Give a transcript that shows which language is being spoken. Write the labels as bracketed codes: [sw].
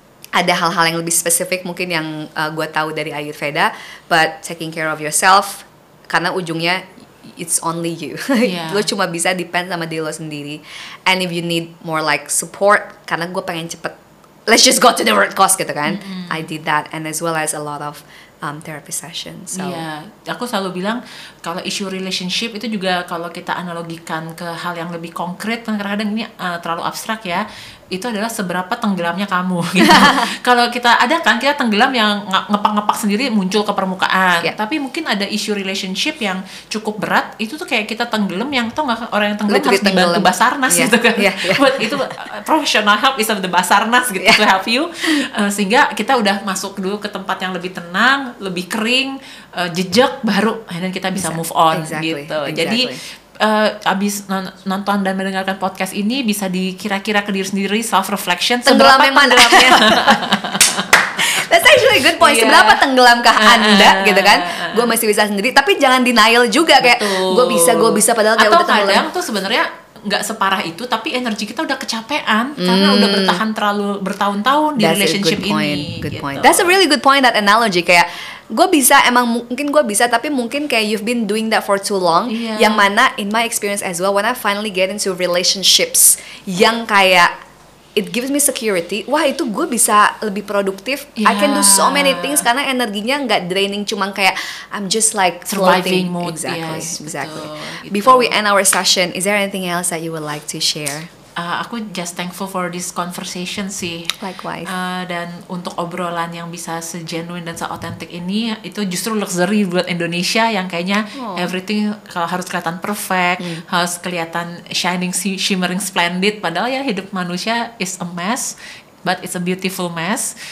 [id] Ada hal-hal yang lebih spesifik mungkin yang gua tahu dari Ayurveda, [en] but taking care of yourself, [id] karena ujungnya [en] it's only you. [id] Lo cuma bisa depend sama diri lo sendiri. [en] And if you need more like support, [id] karena gua pengen cepet, [en] let's just go to the root cause [id] gitu kan. [en] I did that, and as well as a lot of therapy sessions. So [id] aku selalu bilang kalau isu relationship itu juga kalau kita analogikan ke hal yang lebih konkret, kadang-kadang ini terlalu abstrak ya, itu adalah seberapa tenggelamnya kamu gitu. Kalau kita ada kan, kita tenggelam yang ngepak-ngepak sendiri muncul ke permukaan. Tapi mungkin ada isu relationship yang cukup berat, itu tuh kayak kita tenggelam yang, tau gak, orang yang tenggelam harus dibantu Basarnas gitu kan. [en] But itu professional help is of the Basarnas gitu, to help you. [id] Sehingga kita udah masuk dulu ke tempat yang lebih tenang, lebih kering, jejak baru, dan kita bisa move on gitu. Jadi abis nonton dan mendengarkan podcast ini, bisa dikira-kira ke diri sendiri, [en] self reflection, [id] seberapa tenggelamnya. [en] That's actually a good point. [id] Seberapa tenggelamkah Anda gitu kan. Gue masih bisa sendiri, tapi jangan denial juga. Betul. Kayak gue bisa padahal kayak atau udah tenggelam. Atau kadang tuh sebenarnya gak separah itu, tapi energi kita udah kecapean karena udah bertahan terlalu bertahun-tahun di relationship ini. [en] Good point. That's a really good point, that analogy. [id] Kayak gue bisa, emang mungkin gue bisa, tapi mungkin kayak [en] you've been doing that for too long. [id] Yang mana [en] in my experience as well, when I finally get into relationships [id] yang kayak [en] it gives me security, [id] wah itu gue bisa lebih produktif. [en] I can do so many things [id] karena energinya gak draining, cuman kayak [en] I'm just like surviving mode. Exactly. Before we end our session, is there anything else that you would like to share? [id] Aku [en] just thankful for this conversation sih. Likewise. [id] Dan untuk obrolan yang bisa se-genuine dan se-authentic ini, itu justru luxury buat Indonesia yang kayaknya everything kalau harus kelihatan perfect, harus kelihatan [en] shining, shimmering, splendid. [id] Padahal ya hidup manusia [en] is a mess, but it's a beautiful mess.